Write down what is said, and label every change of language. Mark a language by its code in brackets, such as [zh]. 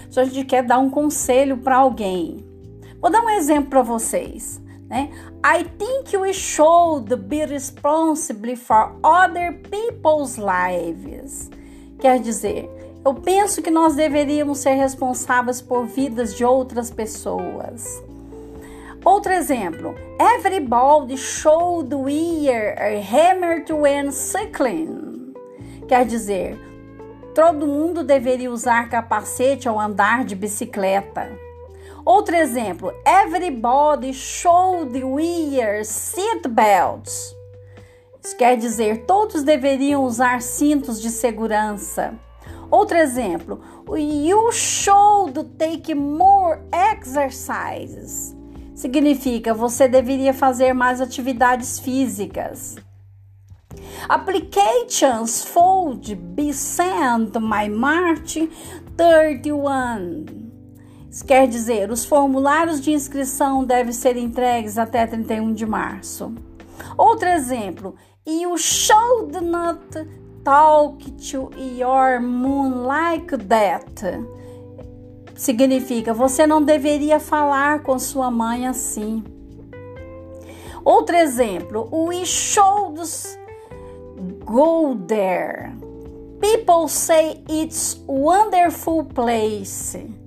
[pt] Se a gente quer dar um conselho para alguém. Vou dar um exemplo para vocês, né? [en] I think we should be responsible for other people's lives. [pt] Quer dizer, eu penso que nós deveríamos ser responsáveis por vidas de outras pessoas. Outro exemplo. [en] Everybody should wear a hammer when cycling. [pt] Quer dizer, todo mundo deveria usar capacete ao andar de bicicleta. Outro exemplo, [en] everybody should wear seatbelts. [pt] Isso quer dizer, todos deveriam usar cintos de segurança. Outro exemplo, [en] you should take more exercises. [pt] Significa, você deveria fazer mais atividades físicas. [en] Applications should be sent by March 31. [pt] Isso quer dizer, os formulários de inscrição devem ser entregues até 31 de março. Outro exemplo, [en] you should not talk to your moon like that. [pt] Significa, você não deveria falar com sua mãe assim. Outro exemplo, [en] we should go there. People say it's a wonderful place.